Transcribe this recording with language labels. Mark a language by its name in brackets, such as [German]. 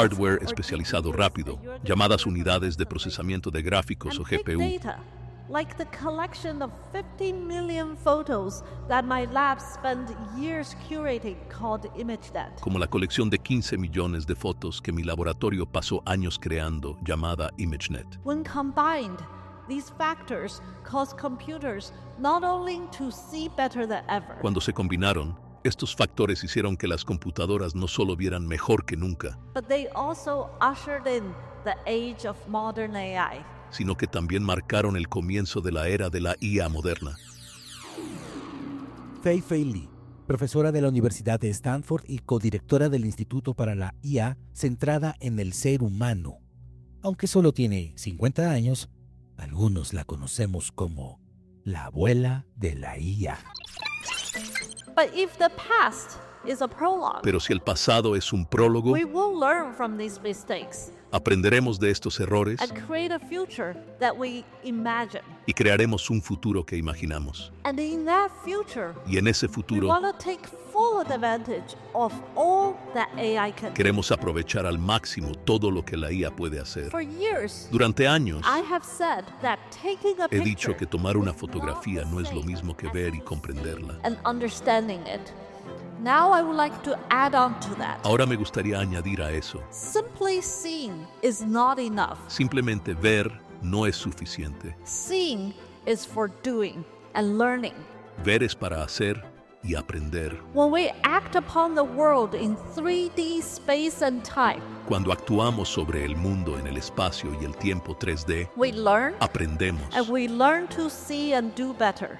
[Spanish] Hardware especializado rápido, llamadas unidades de procesamiento de gráficos o GPU. [English] And big data, like the collection of 15 million photos that my lab spent years curating called ImageNet. [Spanish] Como la colección de 15 millones de fotos que mi laboratorio pasó años creando, llamada ImageNet. [English] When combined, these factors cause computers not only to see better than ever. [Spanish] Cuando se combinaron, estos factores hicieron que las computadoras no solo vieran mejor que nunca, [English] but they also ushered in the age of modern AI, [Spanish] sino que también marcaron el comienzo de la era de la IA moderna. Fei-Fei Li, profesora de la Universidad de Stanford y codirectora del Instituto para la IA centrada en el ser humano. Aunque solo tiene 50 años, algunos la conocemos como la abuela de la IA. [English] But if the past is a prologue, [Spanish] pero si el pasado es un prólogo, [English] we will learn from these mistakes, [Spanish] aprenderemos de estos errores, [English] and create a future that we imagine, [Spanish] y crearemos un futuro que imaginamos. [English] And in that future, [Spanish] y en ese futuro, [English] we want to take full advantage of all that AI can do. [Spanish] Queremos aprovechar al máximo todo lo que la IA puede hacer. [English] For years, [Spanish] durante años, [English] I have said that taking a picture, [Spanish] he dicho que tomar una fotografía no es lo mismo que ver y comprenderla. [English] And understanding it. Now I would like to add on to that. [Spanish] Ahora me gustaría añadir a eso. [English] Simply seeing is not enough. [Spanish] Simplemente ver no es suficiente. [English] Seeing is for doing and learning. [Spanish] Ver es para hacer y aprender. [English] When we act upon the world in 3D space and time, [Spanish] cuando actuamos sobre el mundo en el espacio y el tiempo 3D, [English] we learn, [Spanish] aprendemos, [English] and we learn to see and do better.